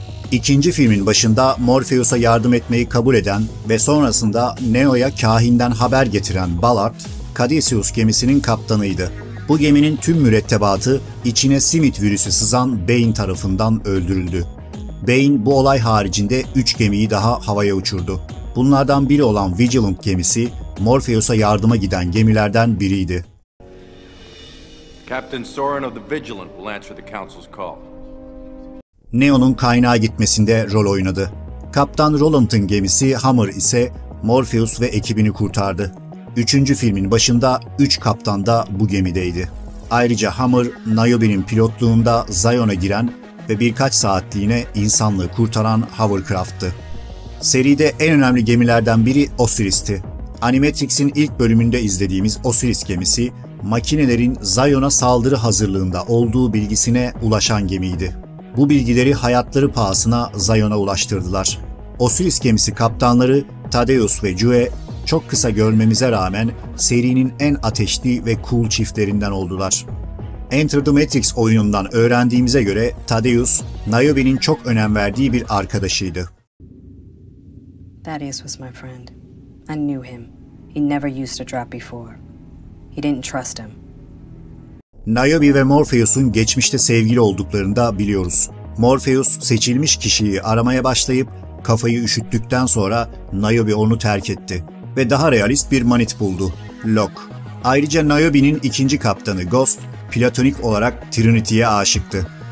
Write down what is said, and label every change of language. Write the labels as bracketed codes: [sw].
[tr] İkinci filmin başında Morpheus'a yardım etmeyi kabul eden ve sonrasında Neo'ya kahinden haber getiren Ballard, Cadicius gemisinin kaptanıydı. Bu geminin tüm mürettebatı içine simit virüsü sızan Bane tarafından öldürüldü. Bane bu olay haricinde 3 gemiyi daha havaya uçurdu. Bunlardan biri olan Vigilant gemisi, Morpheus'a yardıma giden gemilerden biriydi. [en] Captain Soren of the Vigilant will answer the council's call. [tr] Neo'nun kaynağa gitmesinde rol oynadı. Kaptan Roland'ın gemisi Hammer ise Morpheus ve ekibini kurtardı. Üçüncü filmin başında 3 kaptan da bu gemideydi. Ayrıca Hammer, Niobe'nin pilotluğunda Zion'a giren ve birkaç saatliğine insanlığı kurtaran Hovercraft'tı. Seride en önemli gemilerden biri Osiris'ti. Animatrix'in ilk bölümünde izlediğimiz Osiris gemisi, makinelerin Zion'a saldırı hazırlığında olduğu bilgisine ulaşan gemiydi. Bu bilgileri hayatları pahasına Zion'a ulaştırdılar. Osiris gemisi kaptanları Thaddeus ve Jue, çok kısa görmemize rağmen serinin en ateşli ve cool çiftlerinden oldular. Enter the Matrix oyunundan öğrendiğimize göre Thaddeus, Niobe'nin çok önem verdiği bir arkadaşıydı. [en] Thaddeus was my friend. I knew him. He never used a drop before. He didn't trust him. [tr] Niobe ve Morpheus'un geçmişte sevgili olduklarını da biliyoruz. Morpheus seçilmiş kişiyi aramaya başlayıp kafayı üşüttükten sonra Niobe onu terk etti ve daha realist bir manit buldu. Locke. Ayrıca Niobe'nin ikinci kaptanı Ghost, platonik olarak Trinity'ye aşıktı.